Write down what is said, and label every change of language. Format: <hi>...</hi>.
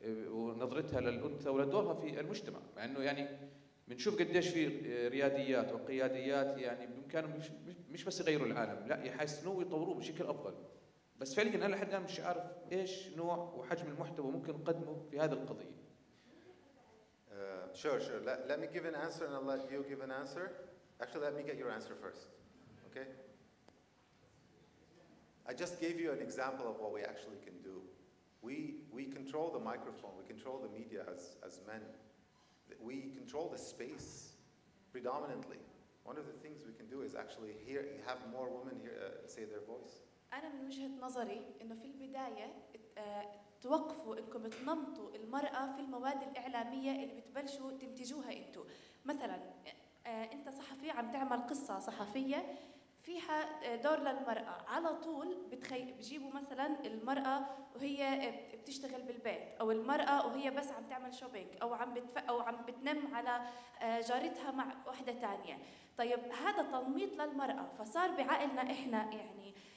<ar>ونظرتها للانثى ولدورها في المجتمع مع انه يعني بنشوف قديش في رياديات وقياديات يعني بامكانهم مش بس يغيروا العالم لا يحسنوه ويطوروه بشكل افضل بس فعليا انا لحد الان مش عارف ايش نوع وحجم المحتوى ممكن نقدمه في هذه القضيه</ar> <en>sure let me give an answer and I'll let you give an answer actually let me get your answer first Okay. I just gave you an example of what we actually can do. We control the microphone, we control the media as men. We control the space predominantly. One of the things we can do is actually hear have more women hear say their voice.</en> <ar>أنا من وجهة نظري إنه في البداية توقفوا إنكم تنمطوا المرأة في المواد الإعلامية اللي بتبلشوا تنتجوها أنتوا. مثلا أنت صحفي عم تعمل قصة صحفية فيها دور للمرأة على طول بجيبوا مثلا المرأة وهي بتشتغل بالبيت او المرأة وهي بس عم تعمل شوبينج او عم بتنم على جارتها مع واحدة تانية طيب هذا تنميط للمرأة فصار بعقلنا احنا يعني</ar>